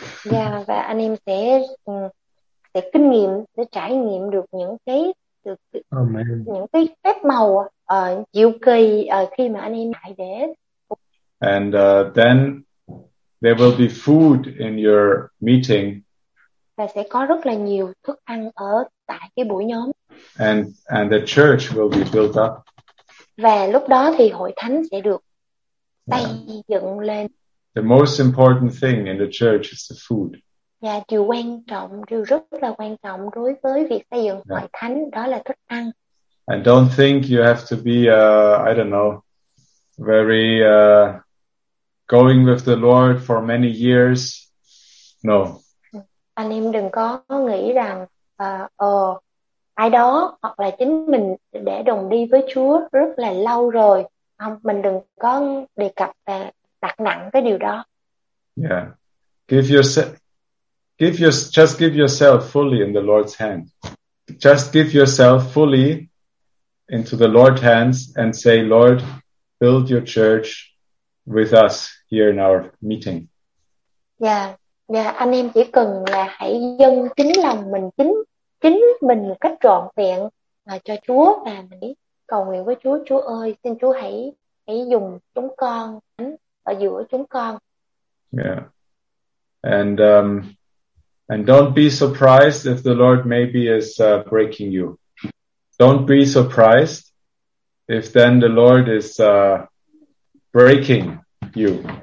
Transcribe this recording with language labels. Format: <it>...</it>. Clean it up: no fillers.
<vi>Yeah, và anh em sẽ kinh nghiệm, sẽ trải nghiệm được những cái những cái phép màu diệu kỳ khi mà anh em lại để.</vi> <en>And then there will be food in your meeting.</en> <vi>Và sẽ có rất là nhiều thức ăn ở tại cái buổi nhóm.</vi> <en>And the church will be built up.</en> <vi>Và lúc đó thì hội thánh sẽ được xây dựng lên.</vi> <en>The most important thing in the church is the food.</en> <vi>Yeah, điều quan trọng, điều rất là quan trọng đối với việc xây dựng hội thánh đó là thức ăn.</vi> <en>And don't think you have to be, I don't know, very going with the Lord for many years. No.</en> <vi>Anh em đừng có nghĩ rằng ai đó hoặc là chính mình để đồng đi với Chúa rất là lâu rồi. Không, mình đừng có đề cập và đặt nặng cái điều đó.</vi> <en>Yeah. Give yourself fully in the Lord's hand. Just give yourself fully into the Lord's hands and say, Lord, build your church with us here in our meeting. Yeah.</en> <vi>Dạ, anh em chỉ cần là hãy dâng chính lòng mình, chính mình một cách trọn vẹn là cho Chúa, và mình cầu nguyện với Chúa: Chúa ơi, xin Chúa hãy dùng chúng con ở giữa chúng con.</vi> <en>Yeah. And don't be surprised if the Lord maybe is breaking you. Don't be surprised if then the Lord is breaking you.</en>